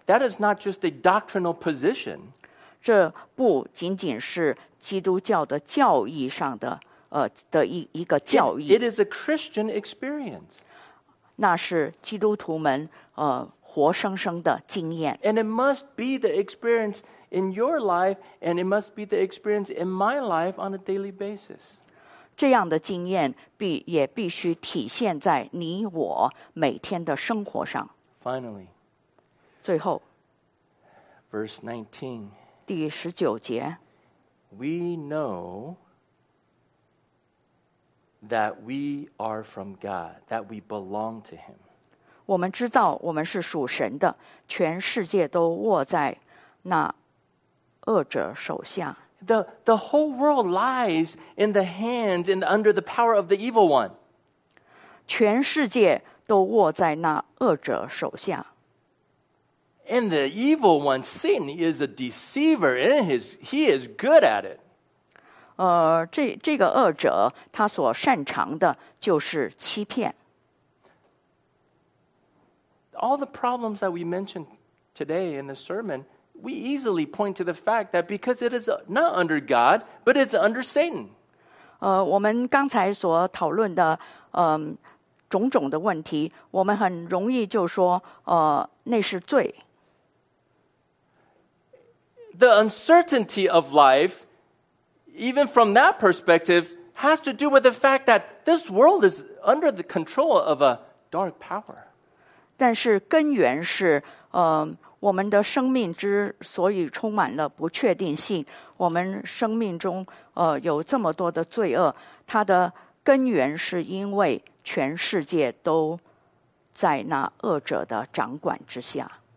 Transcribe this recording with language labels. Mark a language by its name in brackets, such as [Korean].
[English] That is not just a doctrinal position. [Chinese] 这不仅仅是基督教的教义上的的一个教义。 [English] It is a Christian experience. [Chinese] 那是基督徒们活生生的经验。 [English] And it must be the experience in your life, and it must be the experience in my life on a daily basis. [Chinese] 这样的经验也必须体现在你我每天的生活上。 [English] Finally, [Chinese] 最后 [English] verse 19, [Chinese] 第十九节 [English] we know that we are from God, that we belong to Him. [Chinese] 我们知道我们是属神的，全世界都握在那恶者手下。 [English] The whole world lies in the hands and under the power of the evil one. [Chinese] 全世界都握在那恶者手下。 [English] And the evil one, Satan, is a deceiver, and he is good at it. [Chinese] 这个恶者他所擅长的就是欺骗。 [English] All the problems that we mentioned today in the sermon, we easily point to the fact that because it is not under God, but it's under Satan. [Chinese] 我们刚才所讨论的种种的问题，我们很容易就说那是罪。 [English] The uncertainty of life, even from that perspective, has to do with the fact that this world is under the control of a dark power. [Chinese] 但是根源是我们的生命之所以充满了不确定性，我们生命中有这么多的罪恶，它的根源是因为全世界都在那恶者的掌管之下。